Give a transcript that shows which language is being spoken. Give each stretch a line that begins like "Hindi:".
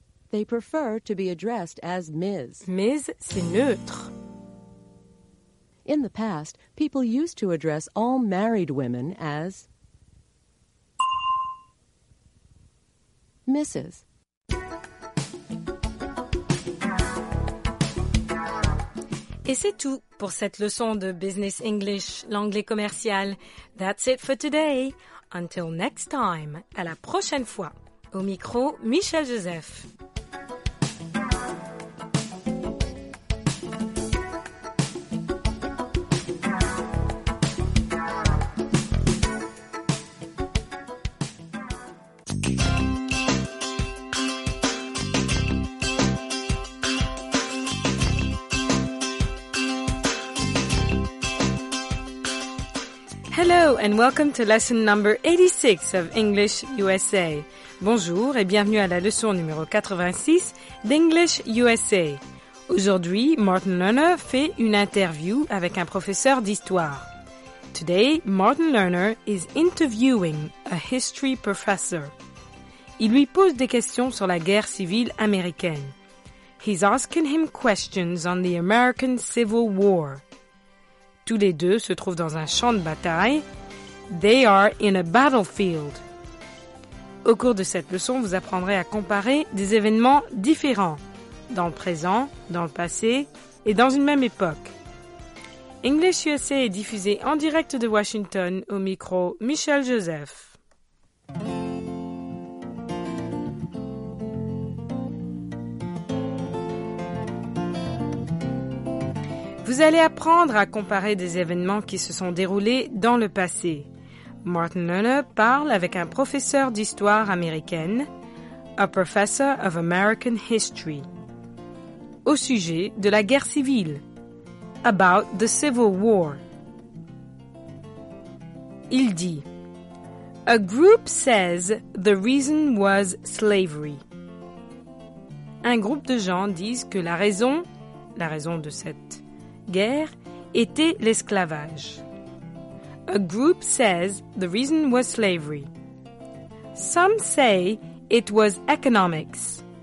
English: They prefer to be addressed as Ms.
French: Ms, c'est neutre.
English: In the past, people used to address all married women as Mrs.
French: Et c'est tout pour cette leçon de Business English, l'anglais commercial.
English: That's it for today. Until next time,
French: à la prochaine fois. Au micro, Michel Joseph.
English: Hello and welcome to lesson number 86 of English USA.
French: Bonjour et bienvenue à la leçon numéro 86 d'English USA. Aujourd'hui, Martin Lerner fait une interview avec un professeur d'histoire.
English: Today, Martin Lerner is interviewing a history professor.
French: Il lui pose des questions sur la guerre civile américaine.
English: He's asking him questions on the American Civil War.
French: Tous les deux se trouvent dans un champ de bataille.
English: They are in a battlefield.
French: Au cours de cette leçon, vous apprendrez à comparer des événements différents, dans le présent, dans le passé et dans une même époque. English USA est diffusé en direct de Washington au micro Michel Joseph. Vous allez apprendre à comparer des événements qui se sont déroulés dans le passé. Martin Lerner parle avec un professeur d'histoire américaine,
English: a professor of American history,
French: au sujet de la guerre civile,
English: about the Civil War.
French: Il dit,
English: a group says the reason was slavery.
French: Un groupe de gens disent que la raison de cette guerre était l'esclavage.
English: A group says the reason was slavery. Some say it was economics.